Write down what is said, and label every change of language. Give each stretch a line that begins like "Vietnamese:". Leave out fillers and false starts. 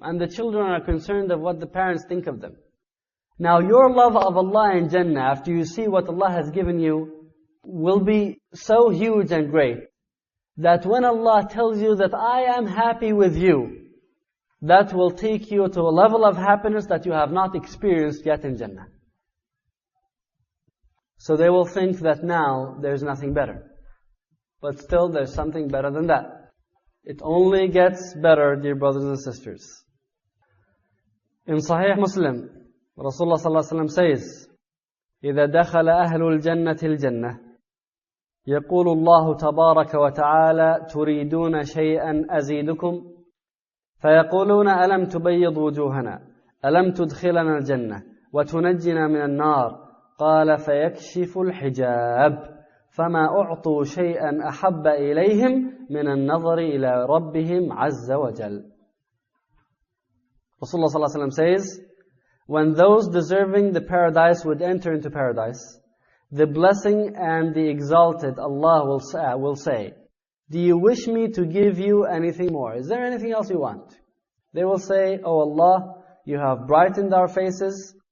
English: And the children are concerned of what the parents think of them. Now your love of Allah in Jannah, after you see what Allah has given you, will be so huge and great that when Allah tells you that I am happy with you, that will take you to a level of happiness that you have not experienced yet in Jannah. So they will think that now there's nothing better. But still there's something better than that. It only gets better, dear brothers and sisters. In Sahih Muslim, Rasulullah sallallahu alaihi wasallam says,
Arabic: إِذَا دَخَلَ أَهْلُ الْجَنَّةِ الْجَنَّةِ يَقُولُ اللَّهُ تَبَارَكَ وَتَعَالَى تُرِيدُونَ شَيْئًا أَزِيدُكُمْ فيقولون ألم تبيض وجوهنا ألم تدخلنا الجنة وتنجينا من النار قال فيكشف الحجاب فما أعطوا شيئا أحب إليهم من النظر إلى ربهم عز وجل. رسول الله صلى الله عليه وسلم
English: says, When those deserving the paradise would enter into paradise, the blessing and the exalted Allah will say, Do you wish me to give you anything more? Is there anything else you want? They will say, O Allah, you have brightened our faces.